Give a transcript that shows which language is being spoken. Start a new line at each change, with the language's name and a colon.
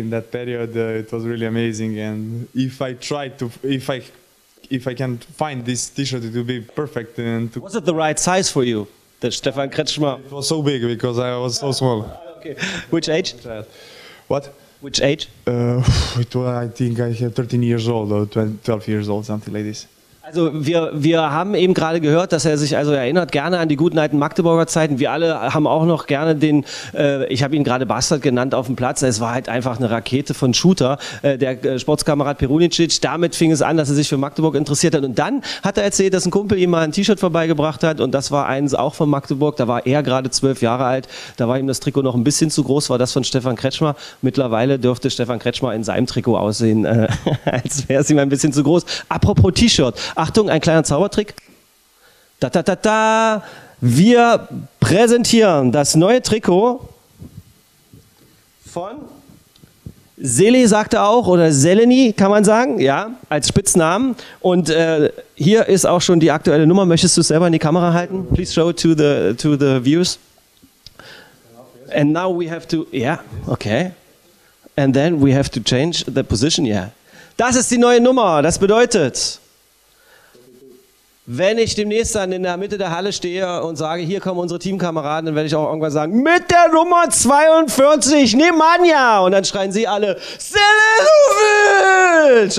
English: In that period it was really amazing, and if I can find this t-shirt, it would be perfect. And was it the right size for you? The Stefan Kretschmer. It was so big because I was so small. Okay. Which age? What? Which age? I think I had 13 years old or 12 years old, something like this.
German: Also wir haben eben gerade gehört, dass er sich also erinnert gerne an die guten alten Magdeburger Zeiten. Wir alle haben auch noch gerne den, ich habe ihn gerade Bastard genannt, auf dem Platz. Es war halt einfach eine Rakete von Shooter, der Sportskamerad Perunicic. Damit fing es an, dass er sich für Magdeburg interessiert hat. Und dann hat er erzählt, dass ein Kumpel ihm mal ein T-Shirt vorbeigebracht hat. Und das war eins auch von Magdeburg. Da war er gerade 12 Jahre alt. Da war ihm das Trikot noch ein bisschen zu groß, war das von Stefan Kretschmer. Mittlerweile dürfte Stefan Kretschmer in seinem Trikot aussehen, als wäre es ihm ein bisschen zu groß. Apropos T-Shirt. Achtung, ein kleiner Zaubertrick. Da, da, da, da. Wir präsentieren das neue Trikot von Seli, sagt er auch, oder Seleni, kann man sagen, ja, als Spitznamen. Und hier ist auch schon die aktuelle Nummer. Möchtest du selber in die Kamera halten?
English: Please show to the viewers. And now we have to, yeah, okay. And then we have to change the position, yeah.
German: Das ist die neue Nummer, das bedeutet, wenn ich demnächst dann in der Mitte der Halle stehe und sage, hier kommen unsere Teamkameraden, dann werde ich auch irgendwann sagen, mit der Nummer 42, Nemanja! Und dann schreien sie alle, Selenovic!